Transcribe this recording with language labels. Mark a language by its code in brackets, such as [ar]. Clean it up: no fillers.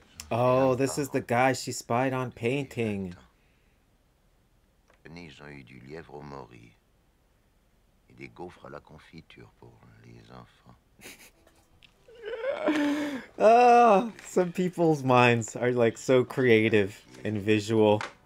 [en] Oh, this is the guy she spied on painting. [fr] Ils ont eu du lièvre au mori et des gaufres à la confiture pour les enfants. [en] Oh, some people's minds are like so creative and visual.